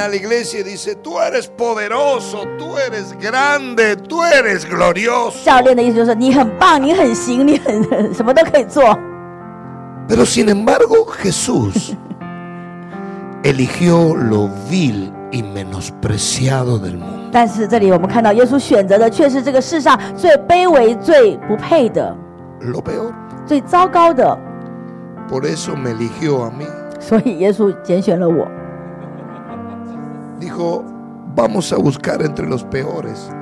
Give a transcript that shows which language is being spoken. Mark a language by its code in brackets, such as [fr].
[es] Vienen a la iglesia y dice, tú eres poderoso, tú eres grande, tú eres glorioso. [zh] 教练的意思就是你很棒，你很行，你很什么都可以做。 [es] Pero sin embargo, Jesús eligió lo vil y menospreciado del mundo. [zh] 但是这里我们看到耶稣选择的却是这个世上最卑微、最不配的。 [es] Lo peor. [zh] 最糟糕的。 [es] Por eso me eligió a mí. [zh] 所以耶稣拣选了我。 [es] Dijo, vamos a buscar entre los peores.